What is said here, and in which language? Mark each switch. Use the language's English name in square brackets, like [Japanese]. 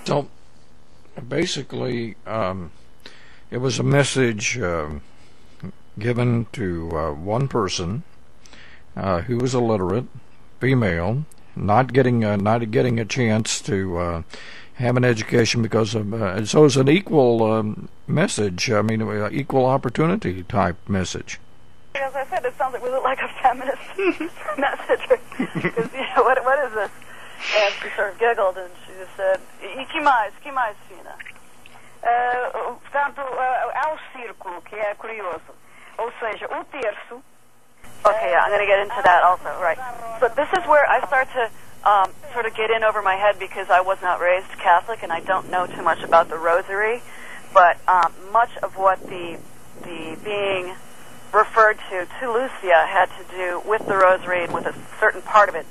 [English] So basically it was a message given to one person who was illiterate, female, not getting a chance to have an education because of so it's an equal message. I mean, equal opportunity type message. As I said, it sounds like, was it like a feminist message? Because, you know, what is this? And she sort of giggled and she just said, [Portuguese] "E que mais, Fina?" Portanto, há o círculo que é curioso, ou seja, o terço. [English] Okay, yeah, I'm going to get into that also, right. But this is where I start to sort of get in over my head, because I was not raised Catholic and I don't know too much about the rosary, but much of what the being referred to Lúcia, had to do with the rosary and with a certain part of it.